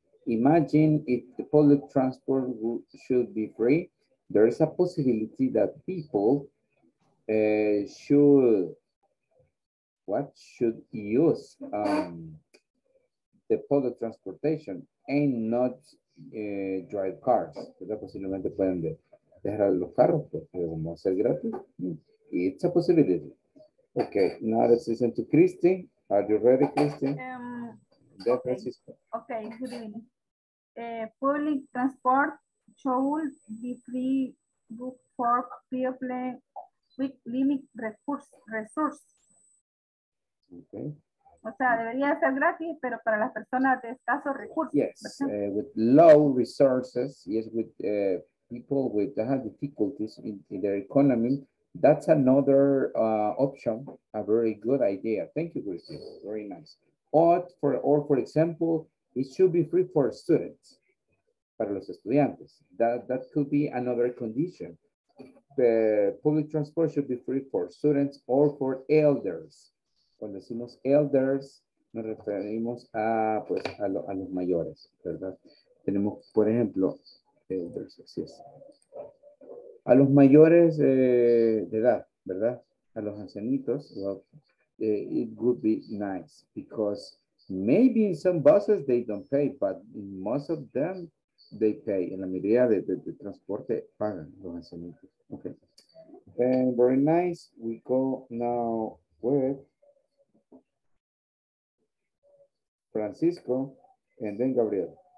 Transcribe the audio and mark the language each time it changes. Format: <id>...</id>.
<en>Imagine if the public transport should be free, there is a possibility that people should use the public transportation and not drive cars.</en> <es>Posiblemente pueden dejar los carros porque vamos a ser gratis.</es> <en>It's a possibility. Okay, now let's listen to Christy. Are you ready, Christy? Okay, good evening. Public transport should be free book for people with limited resources. Okay.</en> <es>O sea, debería ser gratis, pero para las personas de escasos recursos.</es> <en>Yes, with low resources, yes, with people with difficulties in their economy. That's another option, a very good idea. Thank you, Christine. Very nice. For example, it should be free for students,</en> <es>para los estudiantes.</es> <en>That could be another condition. The public transport should be free for students or for elders.</en> <es>Cuando decimos elders, nos referimos a, pues, a los mayores, ¿verdad? Tenemos, por ejemplo, elders, así es. A los mayores de edad, ¿verdad? A los ancianitos,</es> <en>well, it would be nice because maybe in some buses they don't pay, but in most of them they pay.</en> <es>En la mayoría de transporte pagan los ancianitos.</es> <en>Okay. And very nice. We go now with Francisco and then Gabriel.</en>